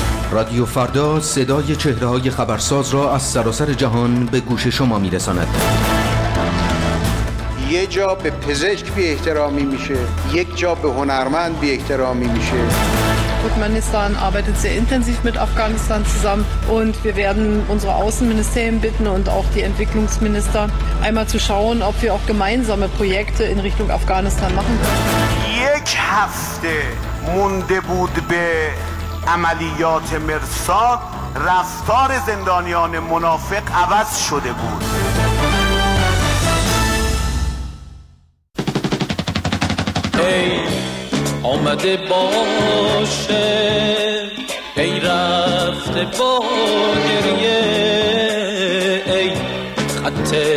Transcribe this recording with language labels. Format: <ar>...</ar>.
<fa>رادیو فردا صدای چهره‌های خبرساز را از سراسر جهان به گوش شما می‌رساند. یه جا به پزشک بی احترامی میشه، یک جا به هنرمند بی احترامی میشه.</fa> <de>Turkmenistan arbeitet sehr intensiv mit Afghanistan zusammen und wir werden unsere Außenministerien bitten und auch die Entwicklungsminister einmal zu schauen, ob wir auch gemeinsame Projekte in Richtung Afghanistan machen können.</de> <fa>یک هفته مونده بود به عملیات مرساد، رفتار زندانیان منافق عوض شده بود. ای آمده باشه، ای رفته با گریه، ای خط</fa>